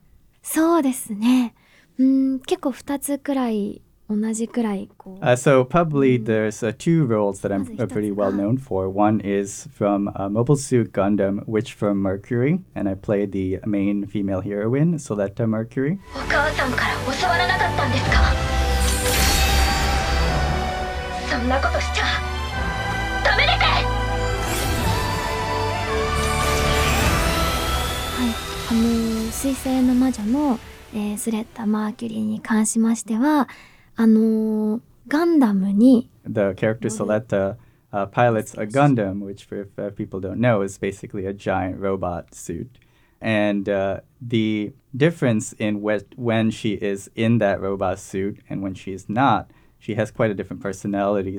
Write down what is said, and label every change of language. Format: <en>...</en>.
<ja>So desu ne. Kekko 2つ kurai, onaji kurai.</ja> <en>So probably there's two roles that I'm pretty well known for. One is from Mobile Suit Gundam, Witch from Mercury. And I play the main female heroine, Soleta Mercury.</en> <ja>そんなことしちゃダメです! この水星の魔女の、スレッタ・マーキュリーに関しましては、ガンダムに</ja> <en>The character Soletta pilots a Gundam, which for if people don't know is basically a giant robot suit. And the difference in when she is in that robot suit and when she is not, she has quite a different personality.</en>